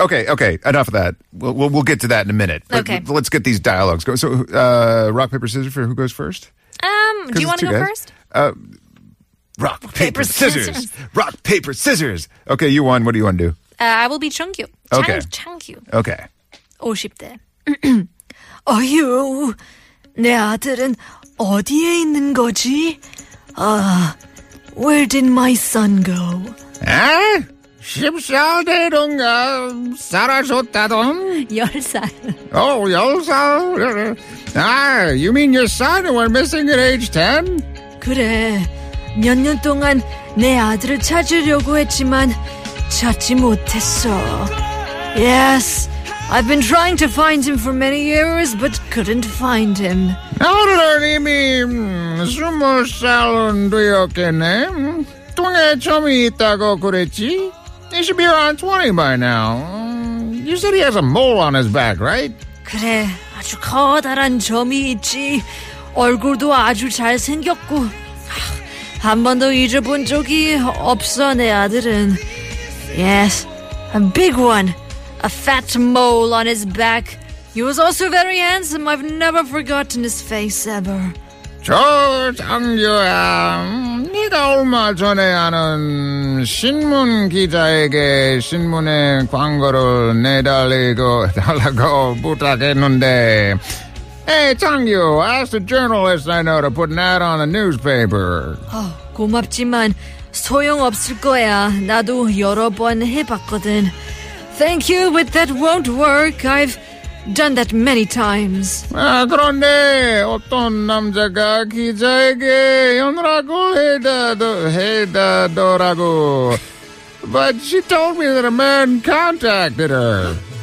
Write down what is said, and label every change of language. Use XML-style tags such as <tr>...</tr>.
<en>Okay, enough of that. We'll get to that in a minute. But okay. Let's get these dialogues going. So, rock, paper, scissors for who goes first? Do you want to go first? Rock, paper, scissors. Rock, paper, scissors. Okay, you won. What do you want to do? I will be Chungkyu. Okay. Chungkyu. Okay.</en> <ko>50대. 아유, 내 아들은 어디에 있는 거지?</ko> <en>'Where did my son go?'</en> <ko>에? 10살 되던가 사라졌다던? 10살.</ko> <en>Oh, 10살? You mean your son went missing at age 10?</en> <ko>그래. 몇 년 동안 내 아들을 찾으려고 했지만 찾지 못했어.</ko> <en>Yes, I've been trying to find him for many years, but couldn't find him.</en> <ko>아들님이 20살은 되었겠네. 똥에 점이 있다고 그랬지?</ko> <en>He should be around 20 by now. You said he has a mole on his back, right?</en> <ko>그래, 아주 커다란 점이 있지. 얼굴도 아주 잘생겼고. 한 번도 잊어본 적이 없어, 내 아들은.</ko> <en>Yes, a big one. A fat mole on his back. He was also very handsome. I've never forgotten his face ever.</en> <ko>저 장교야, 네가 얼마 전에 아는 신문 기자에게 신문에 광고를 달라고 부탁했는데.</ko> <en>Hey, 장교, ask the journalist I know to put an ad on the newspaper.</en> <ko>고맙지만 소용없을 거야. 나도 여러 번 해봤거든.</ko> <en>Thank you, but that won't work. I've done that many times.</en> <ko>그런데 어떤 남자가 기자에게 연락을 해다더라고.</ko> <en>But she told me that a man contacted her.</en>